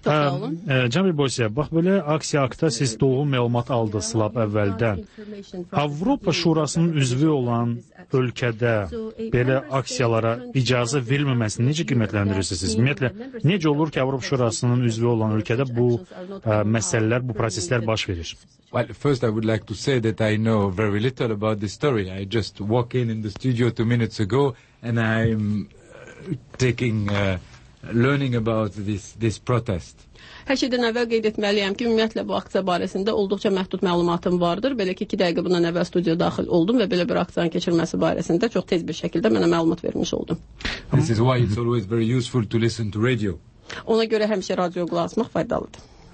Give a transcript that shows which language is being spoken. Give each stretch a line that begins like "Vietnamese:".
Azerbaijani: Cənab Bribosiya, bax belə aksiya haqda siz doğru məlumat aldınız lap əvvəldən. Avropa Şurasının üzvü olan ölkədə belə aksiyalara icazə verilməməsini necə qiymətləndirirsiniz siz? Ümumiyyətlə, necə olur ki, Avropa Şurasının üzvü olan ölkədə bu məsələlər, bu proseslər baş verir?
English: Well, first I would like to say that I know very little about this story. I just walked in the studio 2 minutes ago and I'm taking, learning about this protest.
Azerbaijani: Hər şeydən əvvəl qeyd etməliyəm ki, ümumiyyətlə bu aksiya barəsində olduqca məhdud məlumatım vardır. Belə ki, 2 dəqiqə bundan əvvəl studiya daxil oldum və belə bir aksiyanın keçirilməsi barəsində çox tez bir şəkildə mənə məlumat vermiş oldum.
English: This is why it's always very useful to listen to radio.
Azerbaijani: Ona görə həmişə radio qulaq asmaq faydalıdır.